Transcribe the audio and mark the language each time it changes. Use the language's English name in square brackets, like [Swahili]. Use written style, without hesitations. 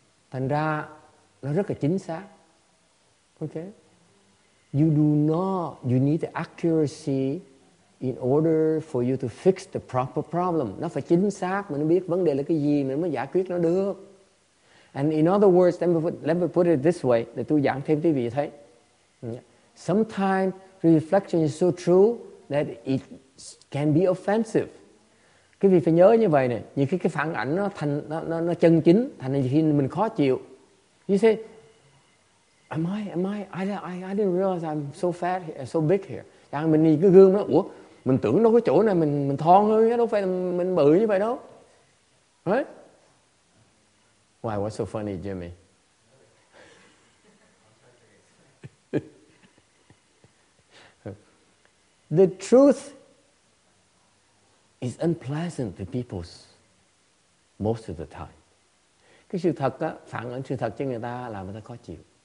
[Vietnamese] Thành ra nó rất là chính xác. [English] Okay? You do not, you need the accuracy in order for you to fix the proper problem. [Vietnamese] Nó phải chính xác, mình biết vấn đề là cái gì, mình mới giải quyết nó được. [English] And in other words, let me put it this way, [Vietnamese] để tôi giảng thêm quý vị thấy. [English] Sometimes reflection is so true that it can be offensive. [Vietnamese] Quý vị phải nhớ như vậy này, nhiều khi cái phản ảnh nó chân chính, thành khi mình khó chịu. [English] You say, I didn't realize I'm so fat, so big here. [Vietnamese] Chẳng mình nhìn cái gương đó, ủa, mình tưởng đâu cái chỗ này mình thon hơn, đâu phải mình bự như vậy đâu. [English] Right? Why, what's so funny, Jimmy? The truth is unpleasant to people most of the time. [Vietnamese] Cái sự thật á, phản ứng sự thật cho người ta là người ta khó chịu.